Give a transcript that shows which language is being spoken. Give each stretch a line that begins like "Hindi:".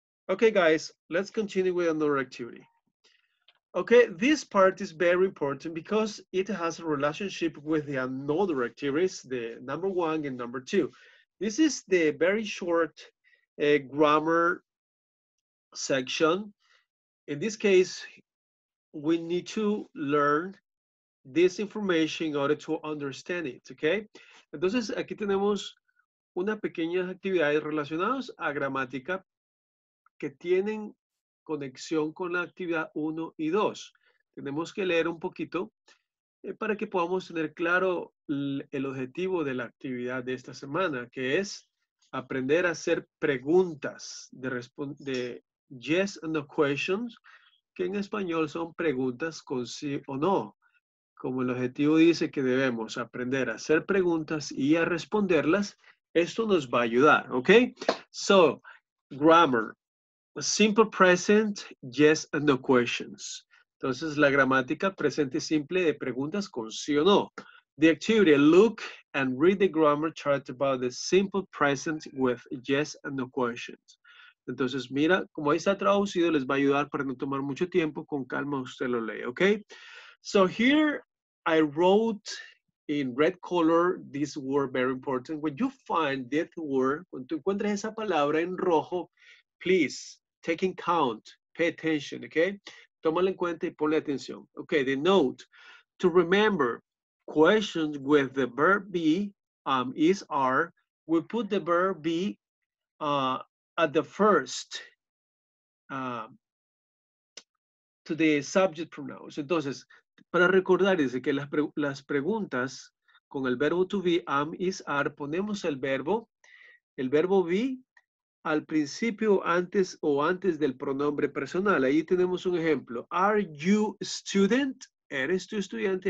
English: Okay, guys, let's continue with another activity. Okay, this part is very important because it has a relationship with the another activities, the number one and number two. This is the very short grammar section. In this case, we need to learn this information in order to understand it, okay?
Spanish: Entonces, aquí tenemos unas pequeñas actividades relacionadas a gramática que tienen conexión con la actividad 1 y 2. Tenemos que leer un poquito para que podamos tener claro el objetivo de la actividad de esta semana, que es aprender a hacer preguntas de yes and no questions, que en español son preguntas con sí o no. Como el objetivo dice que debemos aprender a hacer preguntas y a responderlas, esto nos va a ayudar, ¿ok?
English: So, grammar. Simple present, yes and no questions.
Spanish: Entonces, la gramática presente simple de preguntas con sí o no.
English: The activity, look and read the grammar chart about the simple present with yes and no questions.
Spanish: Entonces, mira, como ahí está traducido, les va a ayudar para no tomar mucho tiempo. Con calma, usted lo lee, ¿ok?
English: So here I wrote in red color this word, very important. When you find that word,
Spanish: cuando tú encuentras esa palabra en rojo,
English: please, take in count, pay attention, okay?
Spanish: Tómala en cuenta y ponle atención.
English: Okay, the note, to remember, questions with the verb be, is, are, we put the verb be at the first, to the subject pronouns.
Spanish: Entonces, para recordar, dice que las preguntas con el verbo to be, is, are, ponemos el verbo be, al principio, antes del pronombre personal. Ahí tenemos un ejemplo.
English: Are you student?
Spanish: ¿Eres tu estudiante?